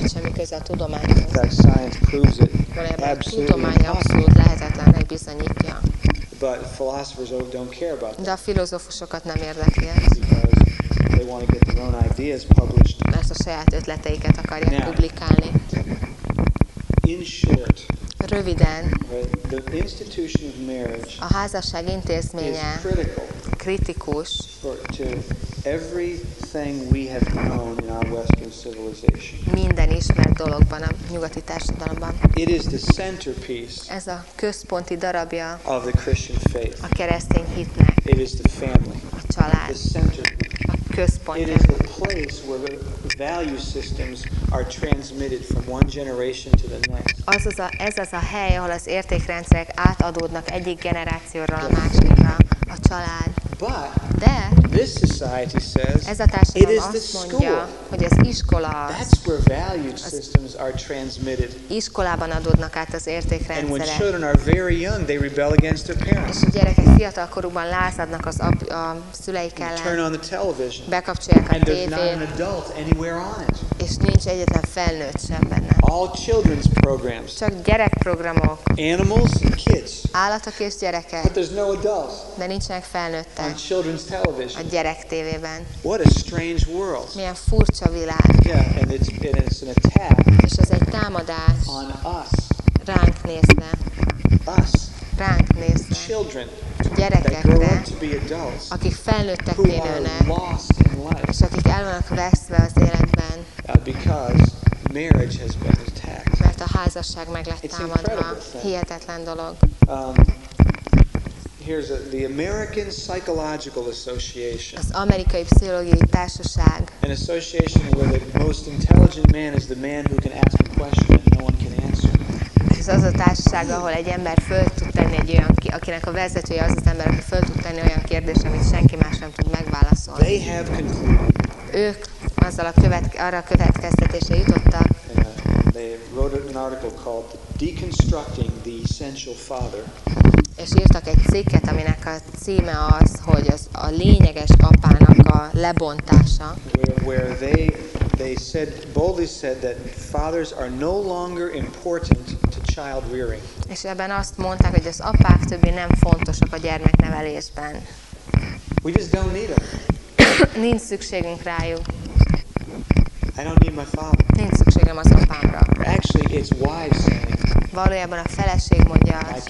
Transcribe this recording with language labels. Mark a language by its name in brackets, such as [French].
[Hungarian] Ne semmi köze a tudományhoz. [English] In fact, science proves it. [Hungarian] Tudomány abszolút lehetetlennek bizonyítja. [English] But philosophers don't care about that. [Hungarian] De a filozófusokat nem érdekli ez. [English] Because they want to get their own ideas published. [Hungarian] Mert a saját ötleteiket akarják publikálni. [English] In short. [Hungarian] Röviden. [English] The institution of marriage. [Hungarian] A házasság intézménye. [English] Is critical. [Hungarian] Kritikus. [English] To everything we have known in our Western civilization. [Hungarian] Minden ismert dologban, a nyugati társadalomban. [English] It is the centerpiece. [Hungarian] Ez a központi darabja. [English] Of the Christian faith. [Hungarian] A keresztény hitnek. [English] It is the family. [Hungarian] A család. [English] The center. [Hungarian] A központja. [English] It is the place where the value systems are transmitted from one generation to the next. [Hungarian] Ez az a hely, ahol az értékrendszerek átadódnak egyik generációra a másikra. A család. [English] But [Hungarian] de [English] this society says [Hungarian] ez a társadalom [English] it is the [Hungarian] azt mondja, [English] school. [Hungarian] Hogy az iskola az. [English] That's where value systems are transmitted. [Hungarian] Iskolában adódnak át az értékrendszerek. [English] And when children are very young, they rebel against their parents. [Hungarian] És a gyerekek fiatal korukban lázadnak az a szüleik ellen. [English] Turn on the television. [Hungarian] Bekapcsolják a and tévét. [English] And there's not an adult anywhere on it. [Hungarian] És nincs egyetlen felnőtt sem benne. [English] All children's programs. [Hungarian] Csak gyerekprogramok. [English] Animals and kids. [Hungarian] Állatok és gyerekek. [English] But there's no adults. [Hungarian] De nincsenek felnőttek. [English] On children's television. [Hungarian] A gyerek tévében. [English] What a strange world. [Hungarian] Milyen furcsa világ. [English] Yeah, and it's an attack. [Hungarian] És ez egy támadás. [English] On us. [Hungarian] Ránk nézve. [English] Us. [Hungarian] Ránk nézve. [English] Children. [Hungarian] Gyerekekre. [English] That grow up to be adults. [Hungarian] Akik felnőtteké nőnek. [English] Who are lost in life. [Hungarian] És akik el vannak veszve az életben. [English] Because marriage has been attacked. [Hungarian] Mert a házasság meg lett támadva. Hihetetlen dolog. [English] Here's the American Psychological Association. [Hungarian] Az Amerikai Pszichológiai Társaság. [English] An association where the most intelligent man is the man who can ask a question and no one can answer. [Hungarian] Ez az a társaság, ahol egy ember föl tud tenni egy olyan, akinek a vezetője az az ember, aki föl tud tenni olyan kérdést, amit senki más nem tud megválaszolni. [English] They have concluded. [Hungarian] Ők azzal arra a következtetésre jutottak. [English] They wrote an article called Deconstructing the Essential Father. [Hungarian] És írtak egy cikket, aminek a címe az, hogy az a lényeges apának a lebontása. [English] Where they said, boldly said that fathers are no longer important to child rearing. [Hungarian] És ebben azt mondták, hogy az apák többé nem fontosak a gyermeknevelésben. [English] We just don't need them. [Hungarian] Nincs szükségünk rájuk. [English] I don't need my father. [Hungarian] Nincs szükségem az apámra. [English] Actually, it's wives saying. [Hungarian] Valójában a feleség mondja azt.